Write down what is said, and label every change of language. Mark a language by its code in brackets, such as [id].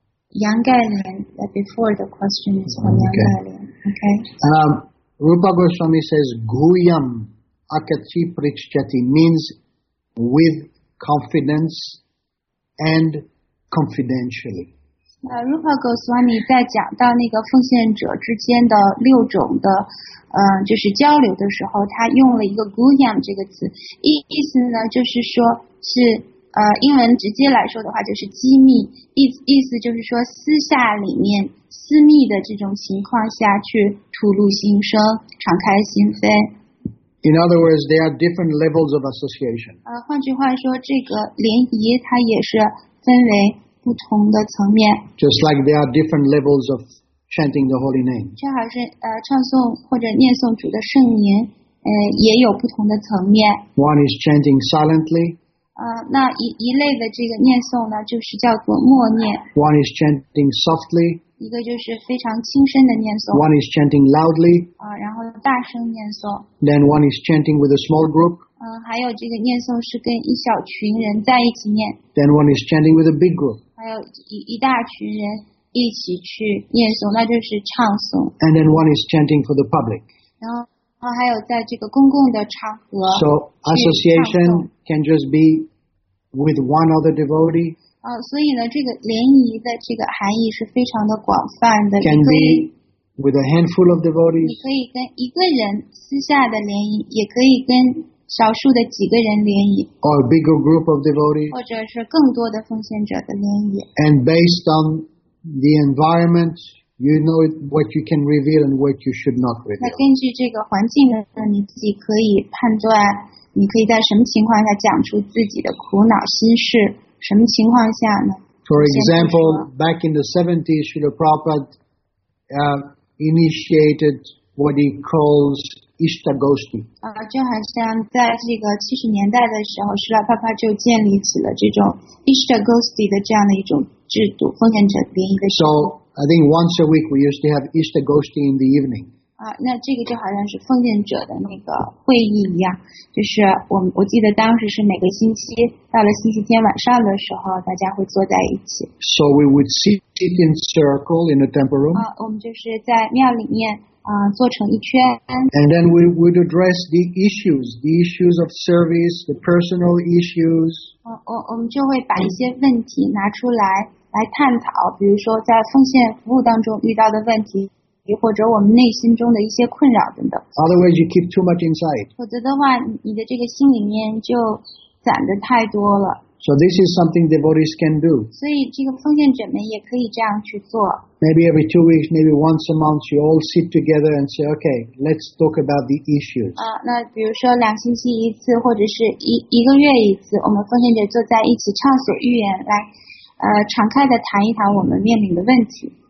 [en] Yang Gailian, before the question is from Yang Gailian. Okay. Rupa Goswami says, [sa] Guyam Akachi Prichchati [en] means with confidence and confidentially. [zh] Rupa Goswami 在讲到那个奉献者之间的六种的就是交流的时候他用了一个 Guyam 这个词意思呢就是说是英文直接来说的话就是机密意思就是说私下里面私密的这种情况下去吐露心声敞开心扉 [en] In other words, there are different levels of association. [zh] 换句话说这个联谊它也是分为不同的层面 [en] Just like there are different levels of chanting the holy name. [zh] 就好像唱诵或者念诵主的圣名，也有不同的层面。 [en] One is chanting silently. [zh] 那一类的这个念诵呢，就是叫做默念。 [en] One is chanting softly. [zh] 一个就是非常轻声的念诵。 [en] One is chanting loudly. [zh] 然后大声念诵。 [en] Then one is chanting with a small group. [zh] 还有这个念诵是跟一小群人在一起念。 [en] Then one is chanting with a big group. [zh] 还有一大群人一起去念诵，那就是唱诵。 [en] And then one is chanting for the public. [zh] 然后还有在这个公共的场合。 [en] So association can just be with one other devotee. [zh] 所以呢，这个联谊的这个含义是非常的广泛的。 [en] Can be with a handful of devotees. [zh] 你可以跟一个人私下的联谊，也可以跟少数的几个人联谊 [en] or a bigger group of devotees, [zh] 或者是更多的奉献者的联谊 [en] and based on the environment, you know what you can reveal and what you should not reveal. [zh] 那根据这个环境呢，你自己可以判断，你可以在什么情况下讲出自己的苦恼心事，什么情况下呢？ [en] For example, back in the 70s, Srila Prabhupada initiated what he calls Ishta Goshti. [zh] 就好像在这个70年代的时候 ，Srila Prabhupada 就建立起了这种 Ishta Goshti 的这样的一种制度，奉献者联谊的。 [en] So I think once a week we used to have Ishta Goshti in the evening. [zh] 那这个就好像是奉献者的那个会议一样，就是我记得当时是每个星期到了星期天晚上的时候，大家会坐在一起。 [en] So we would sit in circle in the temple room. [zh] 我们就是在庙里面坐成一圈。 [en] And then we would address the issues of service, the personal issues. [zh] 我们就会把一些问题拿出来探讨，比如说在奉献服务当中遇到的问题。或者我们内心中的一些困扰等等。 [en] Otherwise, you keep too much inside. [zh] 否则的话，你的这个心里面就攒的太多了。 [en] So this is something devotees can do. [zh] 所以这个奉献者们也可以这样去做。 [en] Maybe every 2 weeks, maybe once a month, you all sit together and say, "Okay, let's talk about the issues." [zh] 那比如说两星期一次，或者是一个月一次，我们奉献者坐在一起畅所欲言，来，敞开的谈一谈我们面临的问题。